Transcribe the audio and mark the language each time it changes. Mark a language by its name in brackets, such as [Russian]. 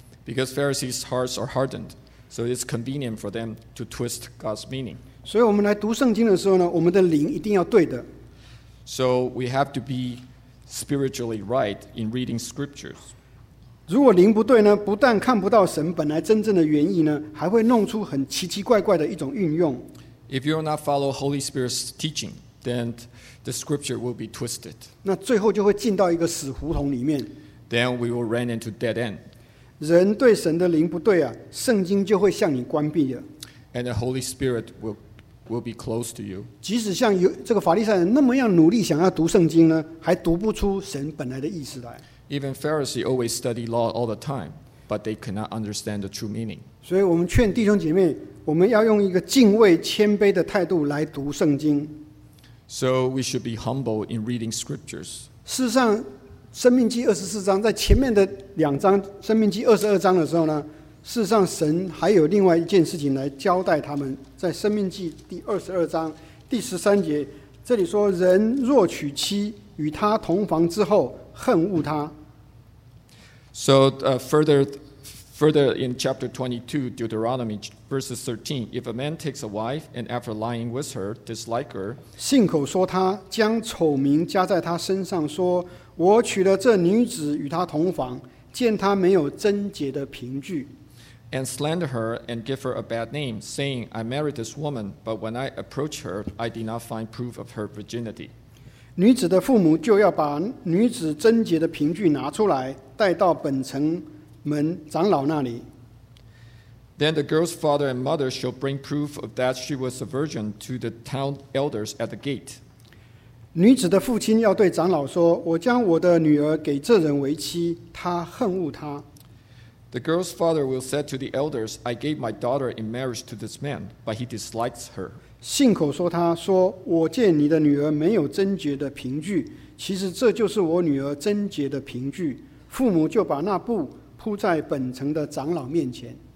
[English] Because Pharisees' hearts are hardened, so it's convenient for them to twist God's meaning. [Chinese] 所以我们来读圣经的时候呢，我们的灵一定要对的。 [English] So we have to be spiritually right in reading scriptures. [Chinese] 如果灵不对呢，不但看不到神本来真正的原意呢，还会弄出很奇奇怪怪的一种运用。 [English] If you're not follow Holy Spirit's teaching, then the scripture will be twisted. [Chinese] 那最后就会进到一个死胡同里面。 [English] Then we will run into dead end. [Chinese] 人对神的灵不对啊，圣经就会向你关闭了。 [English] and the Holy Spirit will be close to you. [Chinese] 即使像有这个法利赛人那么样努力想要读圣经呢，还读不出神本来的意思来。 [English] Even Pharisees always study law all the time, but they cannot understand the true meaning. [Chinese] 所以我们劝弟兄姐妹，我们要用一个敬畏谦卑的态度来读圣经。 [English] So we should be humble in reading scriptures. [Chinese] 事实上，生命记二十四章在前面的两章，生命记二十二章的时候呢，事实上神还有另外一件事情来交代他们。在生命记第二十二章第十三节，这里说：“人若娶妻与他同房之后，恨恶他。” [English] So further in chapter 22, Deuteronomy verses 13, if a man takes a wife and after lying with her, dislike her, [Chinese] 信口说他将丑名加在他身上，说我娶了这女子与他同房，见他没有贞洁的凭据。 [English] And slander her and give her a bad name, saying, I married this woman, but when I approach her, I did not find proof of her virginity. [Chinese] 女子的父母就要把女子贞洁的凭据拿出来，带到本城门长老那里。 [English] Then the girl's father and mother shall bring proof of that she was a virgin to the town elders at the gate. [Chinese] 女子的父亲要对长老说，我将我的女儿给这人为妻，他恨恶她。 [English] The girl's father will say to the elders, I gave my daughter in marriage to this man, but he dislikes her. [Chinese] 信口说他说，我见你的女儿没有贞洁的凭据，其实这就是我女儿贞洁的凭据。父母就把那布铺在本城的长老面前。